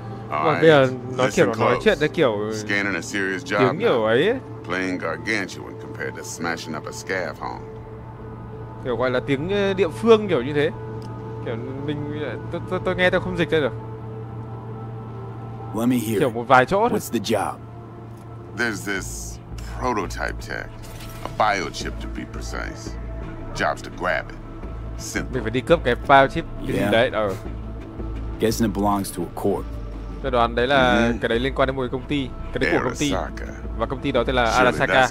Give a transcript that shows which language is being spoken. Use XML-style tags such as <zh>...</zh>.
<en>Scanning a serious job. Playing gargantuan compared to smashing up a scav home.</en> <vi>Kiểu gọi là tiếng địa phương kiểu như thế. Kiểu mình tôi nghe tôi không dịch ra được.</vi> <en>Let me hear.</en> <vi>Kiểu một vài chỗ thôi.</vi> <en>What's the job? There's this prototype tech, a biochip to be precise. Job's to grab it. Simple.</en> <vi>Mình phải đi cướp cái biochip đấy.</vi> <en>Guessing it belongs to a corp.</en> <vi>Tôi đoán đấy là cái đấy liên quan đến một công ty, cái đấy của công ty. Và công ty đó tên là Arasaka.</vi>